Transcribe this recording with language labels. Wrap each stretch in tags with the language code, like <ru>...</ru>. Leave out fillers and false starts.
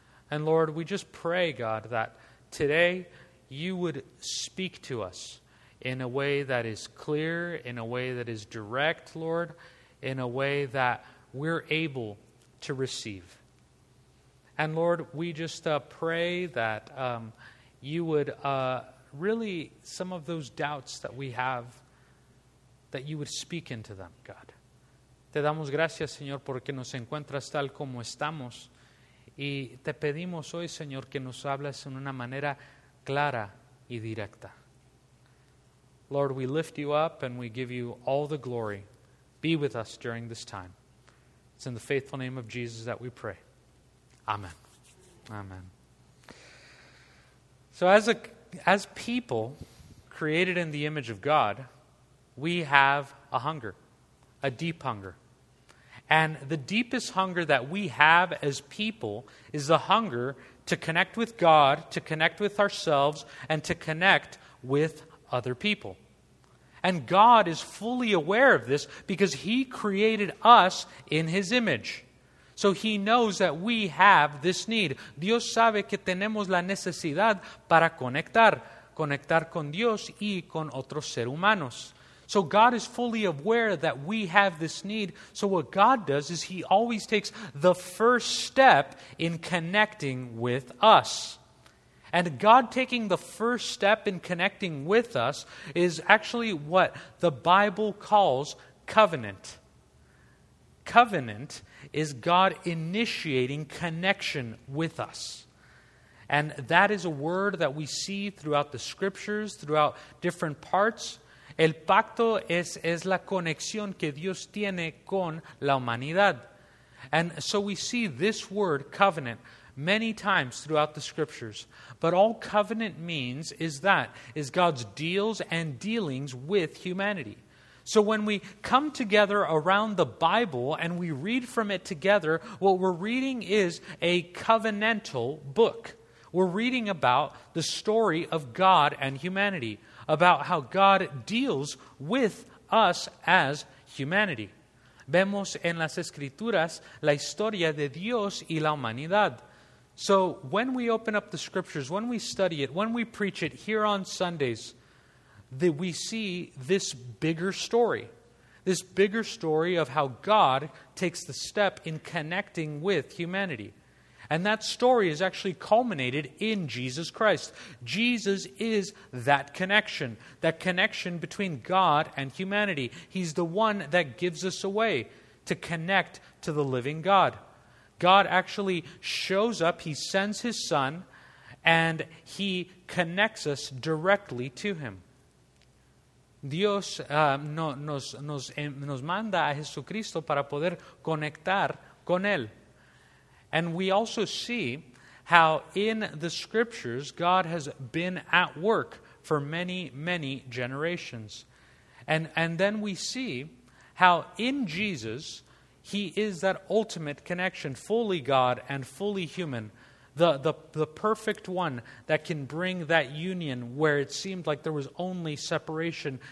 <en>And Lord, we just pray, God, that today you would speak to us in a way that is clear, in a way that is direct, Lord, in a way that we're able to receive. And Lord, we just pray that you would really, some of those doubts that we have, that you would speak into them, God.</en> <es>Te damos gracias, Señor, porque nos encuentras tal como estamos. Y te pedimos hoy, Señor, que nos hables en una manera clara y directa.</es> <en>Lord, we lift you up and we give you all the glory. Be with us during this time. It's in the faithful name of Jesus that we pray. Amen. Amen. So as people created in the image of God, we have a hunger, a deep hunger. And the deepest hunger that we have as people is the hunger to connect with God, to connect with ourselves, and to connect with other people. And God is fully aware of this because he created us in his image. So he knows that we have this need.</en> <es>Dios sabe que tenemos la necesidad para conectar con Dios y con otros seres humanos.</es> <en>So God is fully aware that we have this need. So what God does is he always takes the first step in connecting with us. And God taking the first step in connecting with us is actually what the Bible calls covenant. Covenant is God initiating connection with us. And that is a word that we see throughout the scriptures, throughout different parts.</en> <es>El pacto es la conexión que Dios tiene con la humanidad.</es> <en>And so we see this word, covenant, many times throughout the scriptures. But all covenant means is that, is God's deals and dealings with humanity. So when we come together around the Bible and we read from it together, what we're reading is a covenantal book. We're reading about the story of God and humanity, about how God deals with us as humanity.</en> <es>Vemos en las Escrituras la historia de Dios y la humanidad.</es> <en>So when we open up the scriptures, when we study it, when we preach it here on Sundays, that we see this bigger story of how God takes the step in connecting with humanity. And that story is actually culminated in Jesus Christ. Jesus is that connection between God and humanity. He's the one that gives us a way to connect to the living God. God actually shows up, he sends his son, and he connects us directly to him.</en> <es>Dios nos manda a Jesucristo para poder conectar con él.</es> <en>And we also see how in the scriptures, God has been at work for many, many generations. And then we see how in Jesus, he is that ultimate connection, fully God and fully human, the perfect one that can bring that union where it seemed like there was only separation.</en>